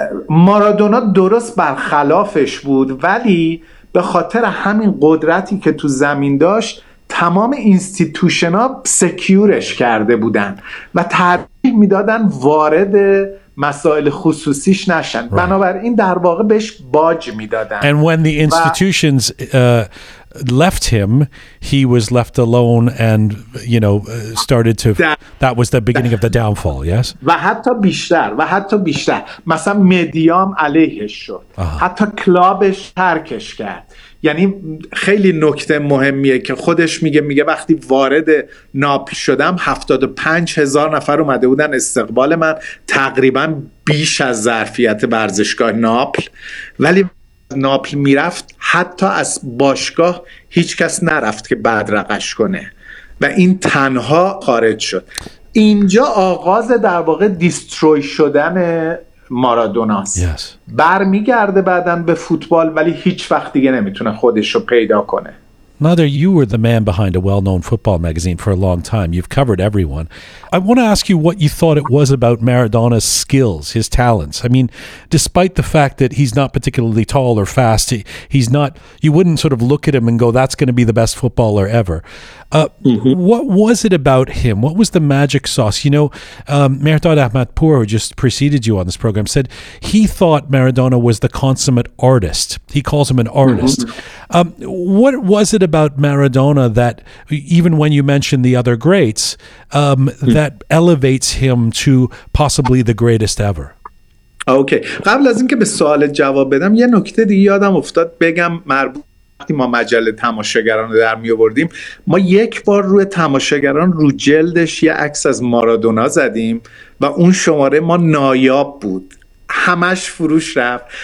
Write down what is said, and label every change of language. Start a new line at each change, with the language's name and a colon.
Persian: مارادونا درست برخلافش بود، ولی به خاطر همین قدرتی که تو زمین داشت تمام اینستیتوشن ها سکیورش کرده بودن و ترجیح میدادن وارد مسائل خصوصیش نشن.
English: Right.
Persian: بنابراین در واقع بهش باج میدادن.
English: And when the institutions left him, he was left alone and, you know, started to... That was the beginning of the downfall, yes?
Persian: و حتی بیشتر. مثلا مدیام علیهش شد. Uh-huh. حتی کلابش ترکش کرد. یعنی خیلی نکته مهمیه که خودش میگه وقتی وارد ناپل شدم 75,000 نفر اومده بودن استقبال من، تقریبا بیش از ظرفیت ورزشگاه ناپل، ولی ناپل میرفت حتی از باشگاه هیچ کس نرفت که بدرقش کنه، و این تنها خارج شد. اینجا آغاز در واقع دیستروی شدن مارادوناست. Yes. برمیگرده بعدن به فوتبال، ولی هیچ وقت دیگه نمیتونه خودش رو پیدا کنه.
English: Nader, you were the man behind a well-known football magazine for a long time. You've covered everyone. I want to ask you what you thought it was about Maradona's skills, his talents. I mean, despite the fact that he's not particularly tall or fast, he's not, you wouldn't sort of look at him and go, that's going to be the best footballer ever. What was it about him? What was the magic sauce? You know, Mehrdad Ahmadpour, who just preceded you on this program, said he thought Maradona was the consummate artist. He calls him an artist. What was it about Maradona that, even when you mention the other greats, that elevates him to possibly the greatest ever? Okay.
Persian: قبل از اینکه به سوالت جواب بدم، یه نکته دیگه یادم افتاد بگم. وقتی ما مجله تماشاگران رو در می آوردیم، ما یک بار روی تماشاگران رو جلدش یه عکس از مارادونا زدیم و اون شماره ما نایاب بود، همش فروش رفت.